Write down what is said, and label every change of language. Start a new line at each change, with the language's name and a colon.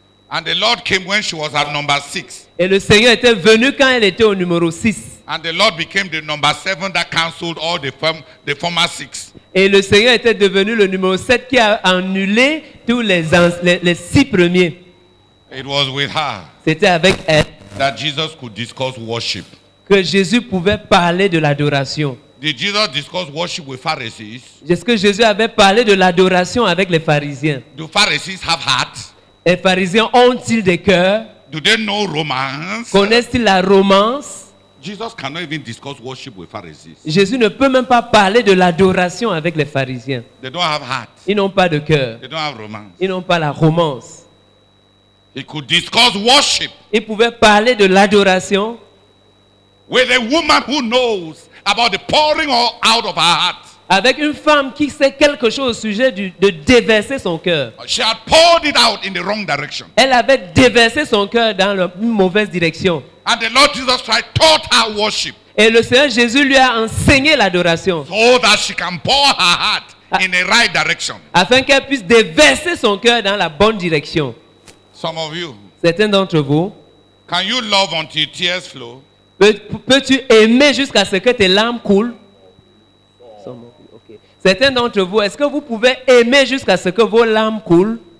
English: And the Lord came when she was at number 6.
French: Et le Seigneur était venu quand elle était au numéro 6.
English: And the Lord became the number 7 that canceled all the former 6.
French: Et le Seigneur était devenu le numéro 7 qui a annulé tous les 6 premiers.
English: It was with her.
French: C'était avec elle.
English: That Jesus could discuss worship.
French: Que Jésus pouvait parler de l'adoration.
English: Did Jesus discuss worship with Pharisees?
French: Est-ce que Jésus avait parlé de l'adoration avec les pharisiens?
English: Do Pharisees have hearts?
French: Les pharisiens ont-ils des cœurs?
English: Do they know romance?
French: Connaissent-ils la romance?
English: Jesus cannot even discuss worship with Pharisees.
French: Jésus ne peut même pas parler de l'adoration avec les pharisiens.
English: They don't have hearts.
French: Ils n'ont pas de cœur.
English: They don't have romance.
French: Ils n'ont pas la romance.
English: He could discuss worship.
French: Il pouvait parler de l'adoration.
English: With a woman who knows about the pouring out of her heart.
French: Avec une femme qui sait quelque chose au sujet de déverser son cœur.
English: She had poured it out in the wrong direction.
French: Elle avait déversé son cœur dans une mauvaise direction.
English: And the Lord Jesus Christ taught her worship.
French: Et le Seigneur Jésus lui a enseigné l'adoration.
English: So that she can pour her heart in the right direction.
French: Afin qu'elle puisse déverser son cœur dans la bonne direction.
English: Some of you.
French: Certains d'entre vous.
English: Can you love until tears flow?
French: Peux-tu aimer jusqu'à ce que tes larmes coulent? Okay. Certains d'entre vous, est-ce que vous pouvez aimer jusqu'à ce que vos larmes coulent?